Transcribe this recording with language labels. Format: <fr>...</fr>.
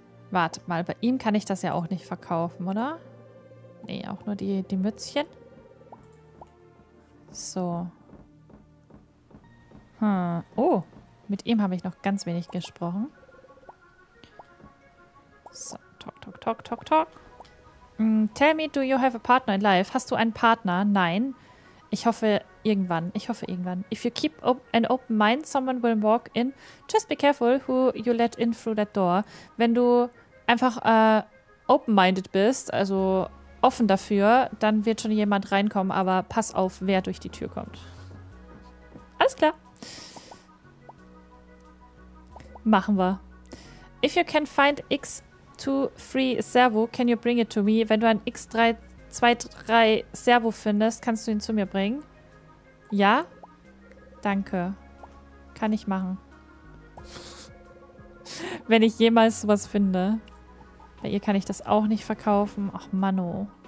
<de>Warte mal, bei ihm kann ich das ja auch nicht verkaufen, oder? Nee, auch nur die Mützchen. So. Oh, mit ihm habe ich noch ganz wenig gesprochen.</de> <en>So, talk, talk, talk, talk, talk. Tell me, do you have a partner in life?</en> <de>Hast du einen Partner? Nein. Ich hoffe irgendwann.</de> <en>If you keep an open mind, someone will walk in. Just be careful who you let in through that door.</en> <de>Wenn du einfach open-minded bist, also offen dafür, dann wird schon jemand reinkommen, aber pass auf, wer durch die Tür kommt. Alles klar. Machen wir.</de> <en>If you can find X23 Servo, can you bring it to me?</en> <de>Wenn du ein X23 Servo findest, kannst du ihn zu mir bringen? Ja? Danke. Kann ich machen. Wenn ich jemals sowas finde. Bei ihr kann ich das auch nicht verkaufen. Ach, Manno.</de>